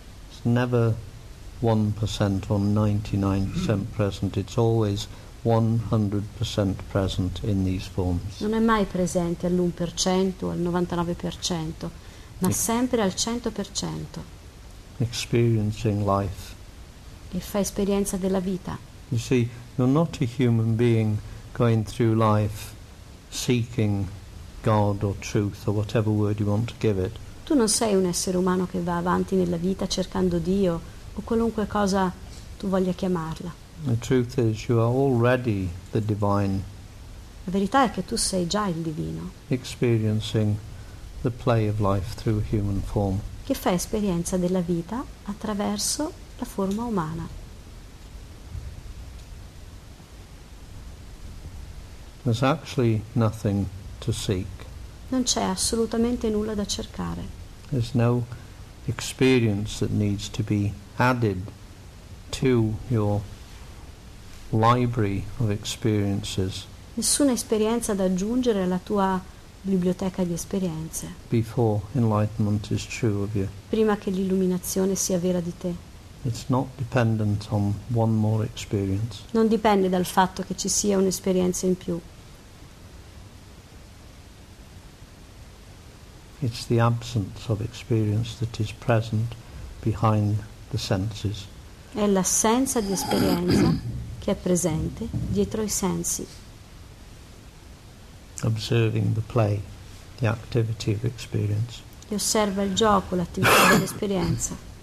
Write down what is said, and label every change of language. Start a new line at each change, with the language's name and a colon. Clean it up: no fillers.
English: It's never 1% or 99% present. It's always 100% present in these forms.
Italian: Non è mai presente all'1% o al 99%, ma sempre al 100%.
English: Experiencing life.
Italian: E fa esperienza della vita.
English: You see, you're not a human being going through life seeking God or truth or whatever word you want to give it.
Italian: Tu non sei un essere umano che va avanti nella vita cercando Dio o qualunque cosa tu voglia chiamarla.
English: The truth is you are already the divine.
Italian: La verità è che tu sei già il divino.
English: Experiencing the play of life through human form.
Italian: Che fa esperienza della vita attraverso la forma umana.
English: There's actually nothing to seek.
Italian: Non c'è assolutamente nulla da cercare.
English: There's no experience that needs to be added to your library of experiences.
Italian: Nessuna esperienza da aggiungere alla tua biblioteca di esperienze.
English: Before enlightenment is true of you.
Italian: Prima che l'illuminazione sia vera di te.
English: It's not dependent on one more experience.
Italian: Non dipende dal fatto che ci sia un'esperienza in più.
English: It's the absence of experience that is present behind the senses.
Italian: È l'assenza di esperienza che è presente dietro i sensi.
English: Observing the play, the activity of experience.
Italian: E osserva il gioco, l'attività dell'esperienza.